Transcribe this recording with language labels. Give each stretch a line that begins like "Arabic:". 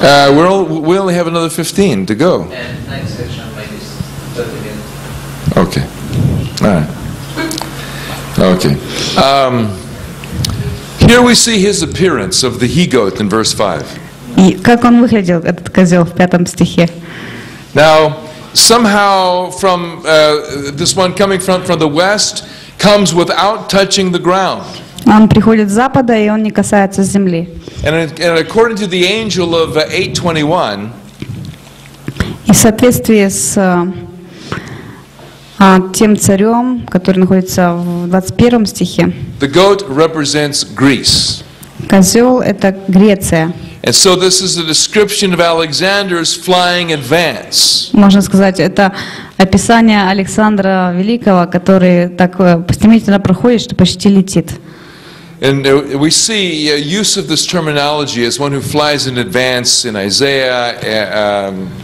English: We only have another 15 to go. And next section might be 30 minutes. Okay. Here we see his appearance of the he-goat in verse 5.
Russian: И как он выглядел, этот козел, в пятом стихе?
English: Now, somehow, from this one coming from the west, comes without touching the ground.
Russian: Он приходит с запада, и он не касается земли.
English: And according to the angel of 821,
Russian: и в соответствии с тем царем, который находится в 21 стихе,
English: the goat represents Greece.
Russian: Козел — это Греция.
English: And so this is a description of Alexander's flying advance.
Russian: Можно сказать, это описание Александра Великого, который так стремительно проходит, что почти летит.
English: And we see use of this terminology as one who flies in advance in Isaiah.